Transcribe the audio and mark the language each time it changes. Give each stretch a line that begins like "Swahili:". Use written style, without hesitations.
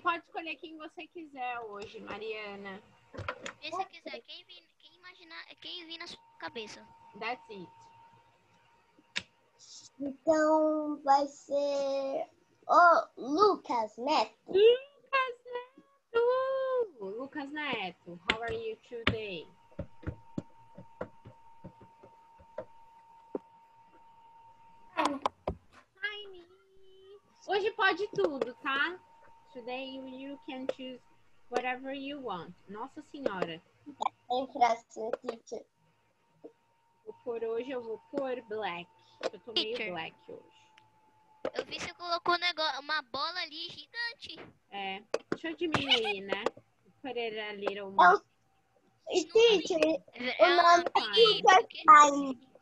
Portuguese: Pode escolher quem você quiser hoje, Mariana. Quem você quiser. Quem imaginar, quem vir na sua cabeça.
English: That's it.
Portuguese: Então vai ser o Lucas Neto. Lucas Neto!
English: Lucas Neto, how are you today? Hi, me!
Portuguese: Hoje pode tudo, tá?
English: Today you can choose whatever you want.
Portuguese: Nossa Senhora! Entra, seu teacher. Vou pôr hoje, eu vou pôr black. Eu tô meio
English: teacher.
Portuguese: Black hoje. Eu vi que você colocou uma bola ali gigante. É. Deixa eu diminuir, né?
English: Put it a little more.
Portuguese: Teacher, o nome é Teacher Fine.